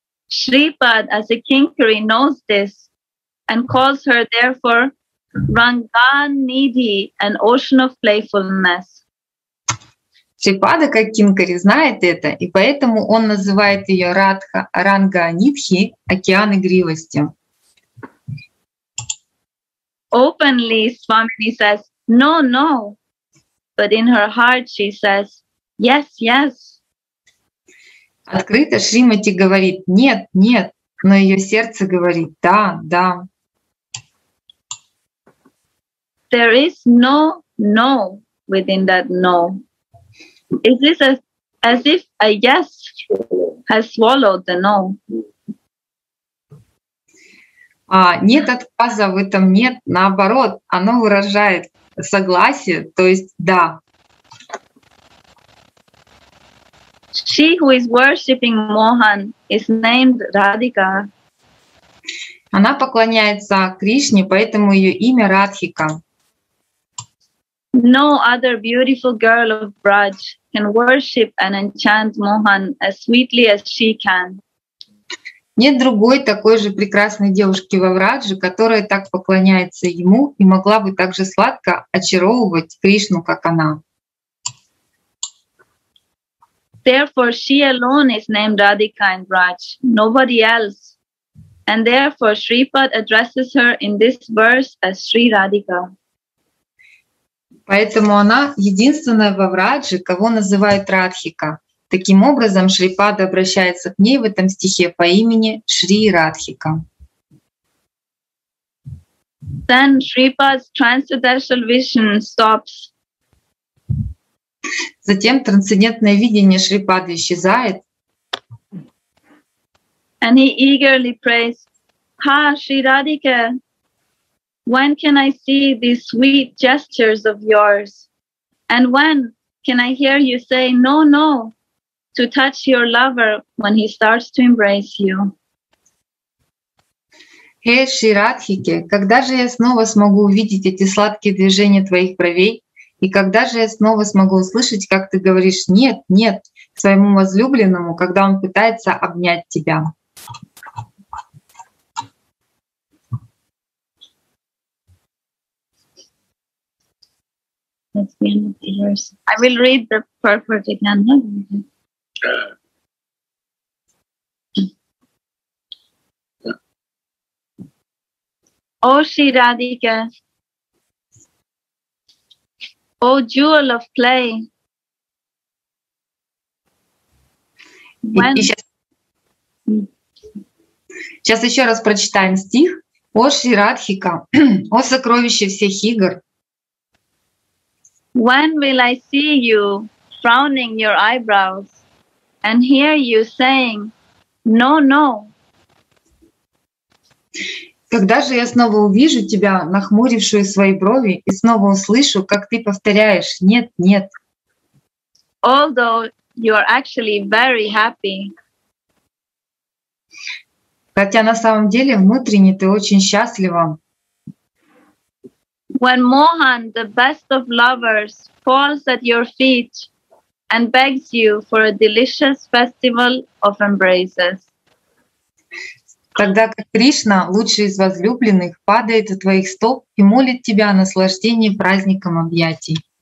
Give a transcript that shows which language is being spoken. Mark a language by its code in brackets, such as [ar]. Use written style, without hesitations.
[en] Shripad, as a kinkari, knows this and calls her therefore Rangan Nidhi, an ocean of playfulness. [ru] Шрипада, как кинкари, знает это, и поэтому он называет ее Радха Ранга Нидхи, океан игривости. [en] Openly Swamini says, no, no. But in her heart she says, yes, yes. [ru] Открыто Шримати говорит, нет, нет, но ее сердце говорит, да, да. [en] There is no, no within that no. Is this as if a yes has swallowed the no? [ru] Нет отказа в этом нет, наоборот, оно выражает согласие, то есть да. [en] She who is worshipping Mohan is named Radhika. [ru] Она поклоняется Кришне, поэтому ее имя Радхика. [en] No other beautiful girl of Braj can worship and enchant Mohan as sweetly as she can. [ru] Нет другой такой же прекрасной девушки во Врадже, которая так поклоняется ему и могла бы так же сладко очаровывать Кришну, как она. [en] Therefore, she alone is named Radhika in Braj, nobody else. And therefore, Shripad addresses her in this verse as Sri Radhika. [ru] Поэтому она единственная во Врадже, кого называют Радхика. Таким образом, Шрипада обращается к ней в этом стихе по имени Шри Радхика. [en] Then Shripad's transcendental vision stops. [ru] Затем трансцендентное видение Шрипады исчезает. [en] And he eagerly prays, Ha, Shri Radhika! When can I see these sweet gestures of yours? And when can I hear you say no, no, to touch your lover when he starts to embrace you? [ru] Хе Ширадхике, когда же я снова смогу увидеть эти сладкие движения твоих бровей? И когда же я снова смогу услышать, как ты говоришь «нет, нет» своему возлюбленному, когда он пытается обнять тебя? [en] That's the end of the verse. I will read the purport again. Oh, Sri Radhika, oh, jewel of clay. [ru] Сейчас еще раз прочитаем стих. О Шри Радхика, о сокровище всех игр. [en] When will I see you frowning your eyebrows and hear you saying no, no? [ru] Когда же я снова увижу тебя, нахмурившую свои брови, и снова услышу, как ты повторяешь нет, нет? [en] Although you are actually very happy. [ru] Хотя на самом деле внутренне ты очень счастлива. [en] When Mohan, the best of lovers, falls at your feet and begs you for a delicious festival of embraces. [ru] Тогда как Кришна, лучший из возлюбленных, падает у твоих стоп и молит тебя о наслаждении праздником объятий.